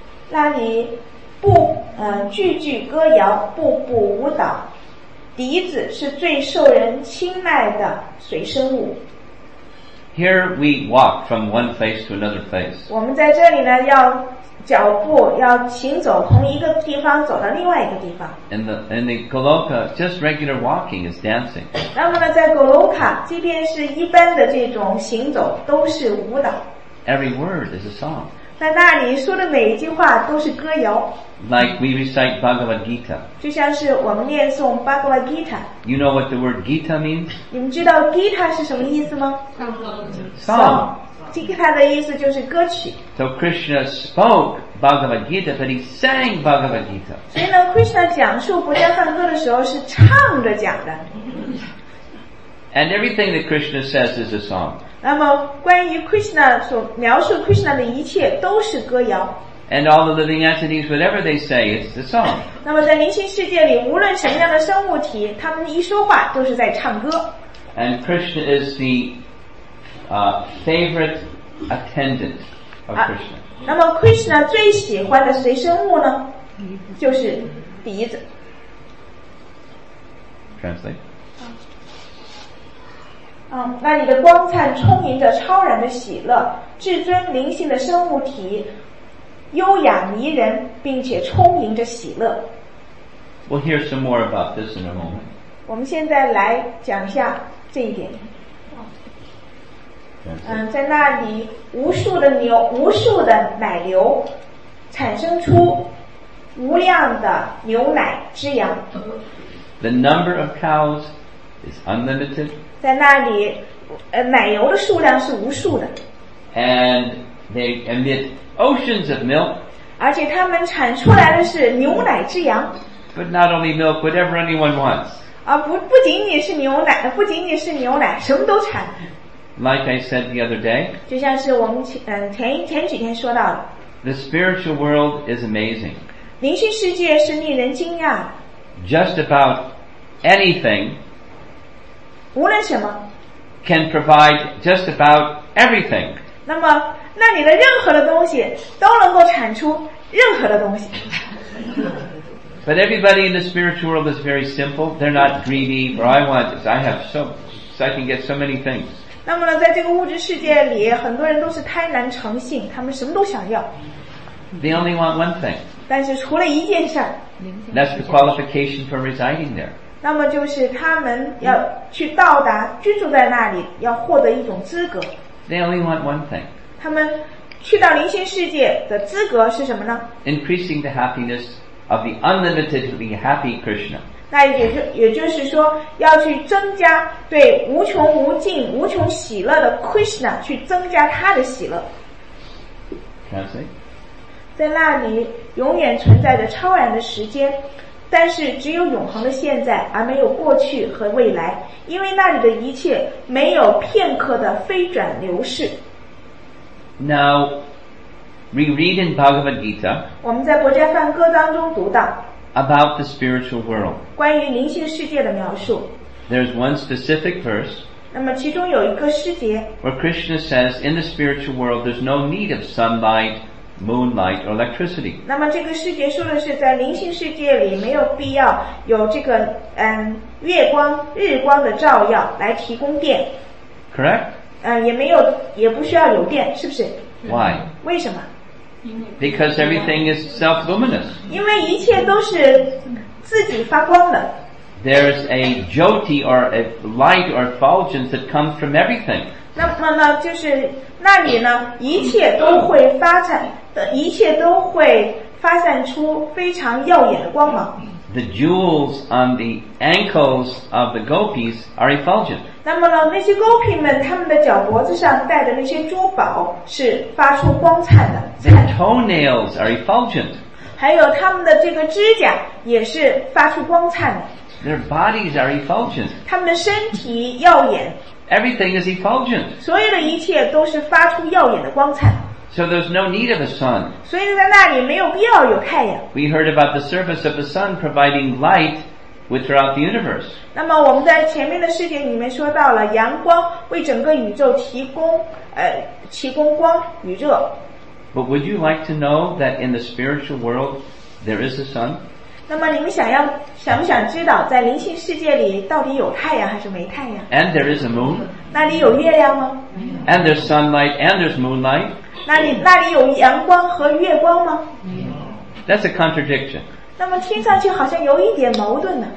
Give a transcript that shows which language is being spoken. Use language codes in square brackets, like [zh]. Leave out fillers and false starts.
[zh] 那里不句句歌谣，步步舞蹈，笛子是最受人青睐的水生物。 [en] Here we walk from one place to another place. [zh] 我们在这里呢，要脚步要行走，从一个地方走到另外一个地方。 [en] In the Goloka, just regular walking is dancing. [zh] 那么呢，在 Goloka, 即便是一般的这种行走，都是舞蹈。 [en] Every word is a song. [zh] 在那里说的每一句话都是歌谣。 [en] Like we recite Bhagavad Gita. [zh] 就像是我们念诵 Bhagavad Gita. [en] You know what the word Gita means? [zh] 你们知道 Gita 是什么意思吗？ [en] Song. [zh] Gita 的意思就是歌曲。 [en] So Krishna spoke Bhagavad Gita, but he sang Bhagavad Gita. [zh] 所以呢 ，Krishna 讲述《不加梵歌》的时候是唱着讲的。 [en] And everything that Krishna says is a song. [zh] 那么关于 Krishna 所描述 Krishna 的一切都是歌谣。 [en] And all the living entities, whatever they say, is the song. [zh] 那么在灵性世界里，无论什么样的生物体，他们一说话都是在唱歌。 [en] And Krishna is the favorite attendant of Krishna. [zh] 那么 Krishna 最喜欢的随身物呢，就是笛子。 [en] Translate. [zh] 那里的光灿充盈着超然的喜乐，至尊灵性的生物体。优雅迷人，并且充盈着喜乐。 [en] We'll hear some more about this in a moment. [zh] 我们现在来讲一下这一点。在那里，无数的奶牛，产生出无量的牛奶之羊。 [en] The number of cows is unlimited. [zh] 在那里，奶牛的数量是无数的。 [en] And they emit oceans of milk. [zh] 而且他们产出来的是牛奶之羊。 [en] But not only milk, whatever anyone wants. [zh] 不仅仅是牛奶，什么都产。 [en] Like I said the other day. [zh] 就像是我们前几天说到的。 [en] The spiritual world is amazing. [zh] 灵性世界是令人惊讶。 [en] Just about anything. [zh] 无论什么。 [en] Can provide just about everything. [zh] 那么那里的任何的东西都能够产出任何的东西。 [en] But everybody in the spiritual world is very simple. They're not greedy. Or I want this. I have so, so I can get so many things. [zh] 那么呢，在这个物质世界里，很多人都是贪婪成性，他们什么都想要。 [en] They only want one thing. [zh] 但是除了一件事。 [en] That's the qualification for residing there. [zh] 那么就是他们要去到达居住在那里，要获得一种资格。 [en] They only want one thing. [zh] 他们去到灵性世界的资格是什么呢？ [en] Increasing the happiness of the unlimitedly happy Krishna. [zh] 那也就是说要去增加对无穷无尽无穷喜乐的 Krishna 去增加他的喜乐。 [en] Can I say? [zh] 在那里永远存在着超然的时间，但是只有永恒的现在，而没有过去和未来，因为那里的一切没有片刻的飞转流逝。 [en] Now, we read in Bhagavad Gita. [zh] 我们在《博迦梵歌》当中读到 [en] about the spiritual world. [zh] 关于灵性世界的描述。 [en] There's one specific verse. [zh] 那么其中有一个诗节 [en] where Krishna says, in the spiritual world, there's no need of sunlight, moonlight, or electricity. [zh] 那么这个诗节说的是在灵性世界里没有必要有这个月光、日光的照耀来提供电。 [en] Correct. [zh] 也不需要有电，是不是？ [en] Why? [zh] 为什么？ [en] Because everything is self-luminous. [zh] 因为一切都是自己发光的。 [en] There's a jyoti or a light or effulgence that comes from everything. [zh] 那么呢，就是那里呢，一切都会发展，一切都会发散出非常耀眼的光芒。 [en] The jewels on the ankles of the gopis are effulgent. [zh] 那么呢，那些 gopi 们他们的脚脖子上戴的那些珠宝是发出光灿的。 [en] Their toenails are effulgent. [zh] 还有他们的这个指甲也是发出光灿的。 [en] Their bodies are effulgent. [zh] 他们的身体耀眼。 [en] Everything is effulgent. [zh] 所有的一切都是发出耀眼的光灿。 [en] So there's no need of a sun. [zh] 所以在那里没有必要有太阳。 [en] We heard about the surface of the sun providing light throughout the universe. [zh] 那么我们在前面的视频里面说到了阳光为整个宇宙提供光与热。 [en] But would you like to know that in the spiritual world there is a sun? [zh] 那么你们想不想知道在灵性世界里到底有太阳还是没太阳？ [en] And there is a moon. [zh] 那里有月亮吗？ [en] And there's sunlight and there's moonlight. [zh] 那里有阳光和月光吗？ [en] That's a contradiction. [zh] 那么听上去好像有一点矛盾呢。